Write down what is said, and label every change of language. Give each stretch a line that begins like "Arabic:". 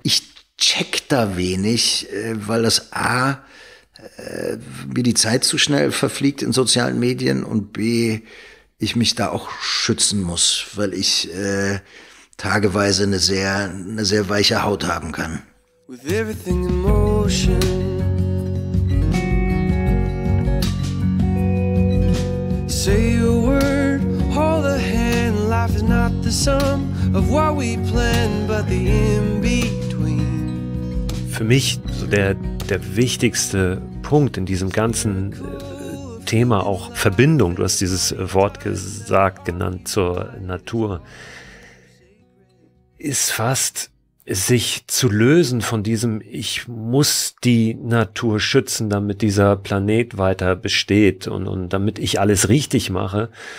German: Ich check da wenig, weil das A, mir die Zeit zu schnell verfliegt in sozialen Medien und B, ich mich da auch schützen muss, weil ich tageweise eine sehr weiche Haut haben kann.
English: With everything in motion. Say a word, hold a hand. Life is not the sum of what we plan, but the in-between.
German: Für mich so der wichtigste Punkt in diesem ganzen Thema, auch Verbindung, du hast dieses Wort genannt zur Natur, ist fast sich zu lösen von diesem, ich muss die Natur schützen, damit dieser Planet weiter besteht und damit ich alles richtig mache,